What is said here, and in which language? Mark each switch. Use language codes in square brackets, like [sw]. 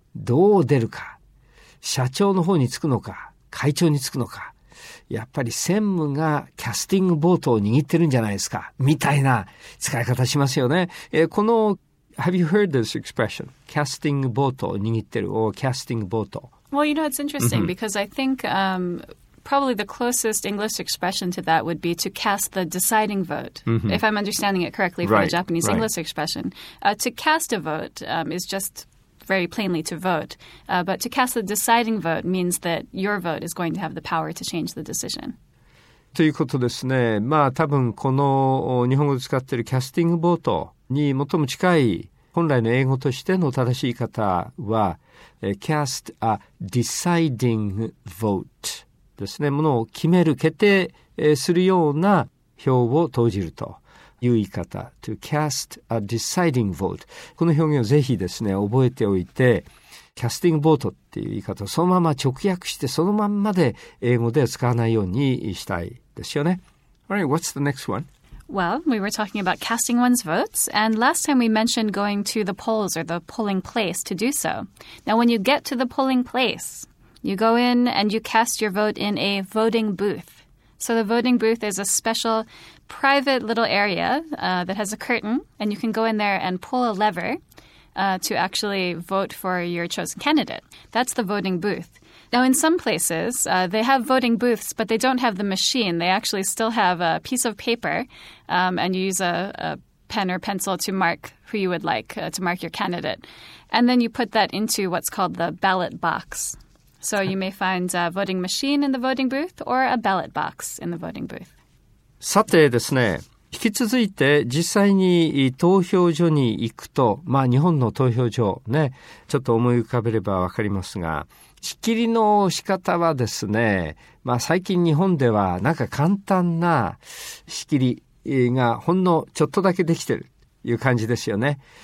[ja] どう出るか、社長の方につくのか、会長につくのか、やっぱり専務がキャスティングボートを握ってるんじゃないですか、みたいな使い方しますよね。 [en] この Have you heard this expression? [ja] キャスティングボートを握ってる、 or キャスティングボート。 [en] Well, you know, it's interesting because I think probably the closest English expression to that would be to cast the deciding vote, if I'm understanding it correctly from the Japanese English expression. To cast a vote is just very plainly to vote. But to cast the deciding vote means that your vote is going to have the power to change the decision. [ja] ということですね。まあ、多分この日本語で使っているキャスティングボートに最も近い本来の英語としての正しい方は、 [en] cast a deciding vote。 [ja] ですね、ものを決める、決定するような票を投じるという言い方、 [en] to cast a deciding vote、 [ja] この表現をぜひですね覚えておいて、キャスティングボートっていう言い方をそのまま直訳して、そのまんまで英語では使わないようにしたいですよね。 [en] Alright, what's the next one? Well, we were talking about casting one's votes, and last time we mentioned going to the polls or the polling place to do so. Now, when you get to the polling place... You go in and you cast your vote in a voting booth. So the voting booth is a special private little area that has a curtain, and you can go in there and pull a lever to actually vote for your chosen candidate. That's the voting booth. Now, in some places, they have voting booths, but they don't have the machine. They actually still have a piece of paper, and you use a pen or pencil to mark who you would like, to mark your candidate. And then you put that into what's called the ballot box. So you may find a voting machine in the voting booth or a ballot box in the voting booth. [ja] さてですね、引き続いて実際に投票所に行くと、まあ日本の投票所ね、ちょっと思い浮かべればわかりますが、仕切りの仕方はですね、まあ最近日本ではなんか簡単な仕切りがほんのちょっとだけできてる。いう感じですよね。